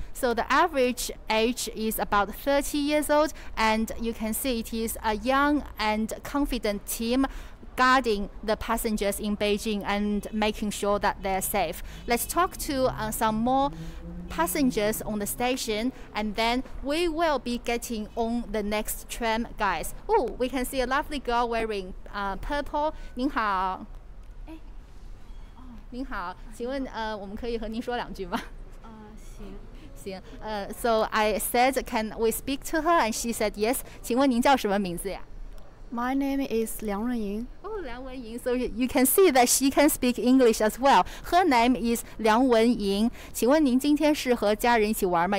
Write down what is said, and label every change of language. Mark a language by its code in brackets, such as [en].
[en] So the average age is about 30 years old, and you can see it is a young and confident team guarding the passengers in Beijing and making sure that they're safe. Let's talk to some more passengers on the station, and then we will be getting on the next tram, guys. Oh, we can see a lovely girl wearing purple. [zh] 您好。哎，哦，您好，请问我们可以和您说两句吗？ [en] 行，so I said, can we speak to her? And she said yes. [zh] 请问您叫什么名字呀？ [en] My name is 梁文莹。 Oh, 梁文莹。 So you can see that she can speak English as well. Her name is 梁文莹。 [zh] 请问您今天是和家人一起玩吗？